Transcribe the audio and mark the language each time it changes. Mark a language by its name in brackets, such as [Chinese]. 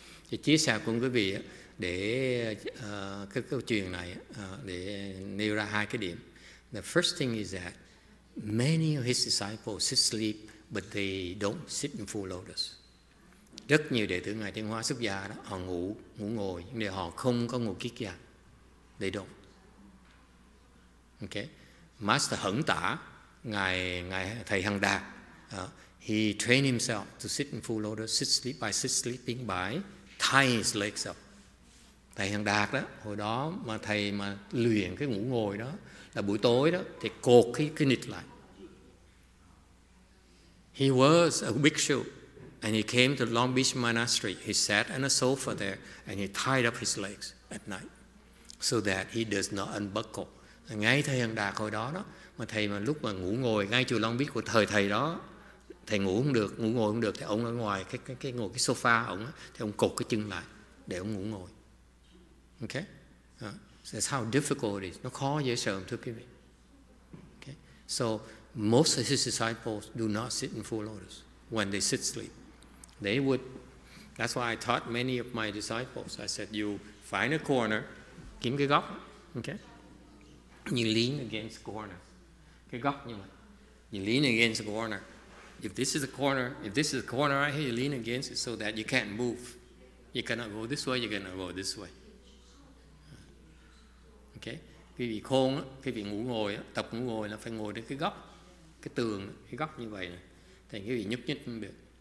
[Vietnamese] Thì chia sẻ cùng quý vị để cái câu chuyện này để nêu ra hai cái điểm. [English] The first thing is that many of his disciples sit sleep, but they don't sit in full lotus. [Vietnamese] Rất nhiều đệ tử ngài Thiên Hóa xuất gia đó, họ ngủ ngồi, nhưng họ không có ngủ kiết già. [English] They don't. Okay. Master Hẳn Tả, ngài thầy Hằng Đạt, he trained himself to sit in full lotus, sit sleeping by. Tie his legs up. [Vietnamese] Thầy Hằng Đạt đó, hồi đó mà thầy mà luyện cái ngủ ngồi đó, là buổi tối đó, thì cột cái nịt lại. [English] He was a bhikshu, and he came to Long Beach Monastery. He sat on a sofa there, and he tied up his legs at night, so that he does not unbuckle. [Vietnamese] Ngay thầy Hằng Đạt hồi đó đó, mà thầy mà lúc mà ngủ ngồi, ngay chùa Long Beach của thời thầy đó, thầy ngủ không được, ngủ ngồi không được thì ông ở ngoài cái ngồi cái sofa ông á, thì ông cột cái chân lại để ông ngủ ngồi. [English] Okay? So that's how difficult it is. [Vietnamese] Nó khó dễ sợ thưa quý vị. [English] Okay? So most of his disciples do not sit in full lotus when they sit sleep. They would, that's why I taught many of my disciples. I said, you find a corner, [Vietnamese] kiếm cái góc. [English] Okay? You lean against the corner. [Vietnamese] Cái góc như vậy. [English] You lean against the corner. If this is a corner right here, you lean against it so that you can't move. You cannot go this way, you cannot go this way. Okay? [Vietnamese] Quý vị khôn, quý vị ngủ ngồi, tập ngủ ngồi là phải ngồi đến cái góc, cái tường, cái góc như vậy. Thì quý vị nhúc nhích không được.